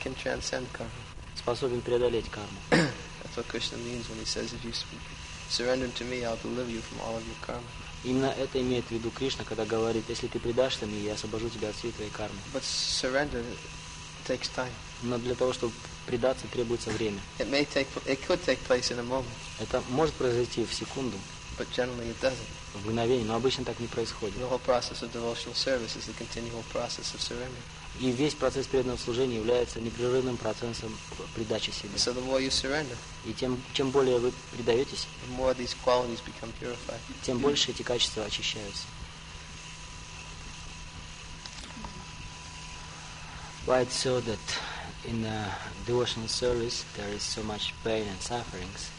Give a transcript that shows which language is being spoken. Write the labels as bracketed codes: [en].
[en] can transcend karma. [ru] Способен преодолеть карму. [en] That's what Krishna means when he says, if you surrender to me, I'll deliver you from all of your karma. [ru] Именно это имеет в виду Кришна, когда говорит, если ты предашься мне, я освобожу тебя от всей твоей кармы. [en] But surrender takes time. [ru] Но для того, чтобы предаться, требуется время. [en] It could take place in a moment. [ru] Это может произойти в секунду. [en] But generally it doesn't. [ru] В мгновение, но обычно так не происходит. [en] The whole process of devotional service is the continual process of surrender. [ru] И весь процесс преданного служения является непрерывным процессом предачи себя. [en] So the more you surrender, [ru] и чем более вы предаетесь, [en] the more these qualities become purified. [ru] Тем больше эти качества очищаются. [en] Why it's so that in the devotional service there is so much pain and sufferings?